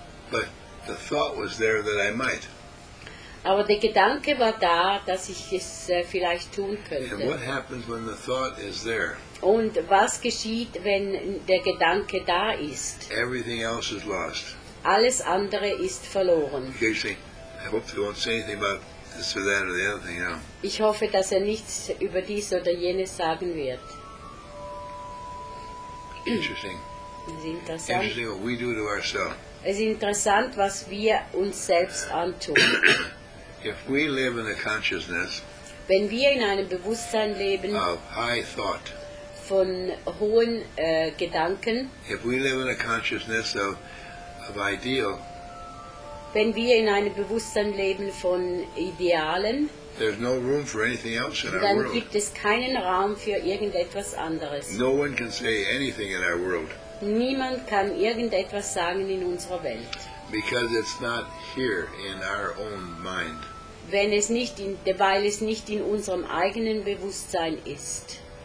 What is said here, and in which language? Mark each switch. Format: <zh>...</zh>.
<en>But the thought was there that I might.</en> <de>Aber der Gedanke war da, dass ich es vielleicht tun könnte.</de> <en>And what happens when the thought is there?</en> <de>Und was geschieht, wenn der Gedanke da ist?</de> <en>Everything else is lost.</en> <de>Alles andere ist verloren. Ich hoffe, dass er nichts über dies oder jenes sagen wird.</de> <en>Interesting what we do to ourselves.</en> <de>Es ist interessant, was wir uns selbst antun.</de> <en>If we live in a consciousness,</en> <de>wenn wir in einem Bewusstsein leben,</de> <en>of high thought,</en> <de>von hohen Gedanken,</de> <en>if we live in a consciousness of ideal,</en> <de>wenn wir in einem Bewusstsein leben von Idealen,</de> <en>there's no room for anything else in our world.</en> <de>Dann gibt es keinen Raum für irgendetwas anderes.</de> <en>No one can say anything in our world.</en> <de>Niemand kann irgendetwas sagen in unserer Welt.</de> <en>Because it's not here in our own mind.</en> <de>Wenn es nicht in, weil es nicht in unserem eigenen Bewusstsein ist.</de>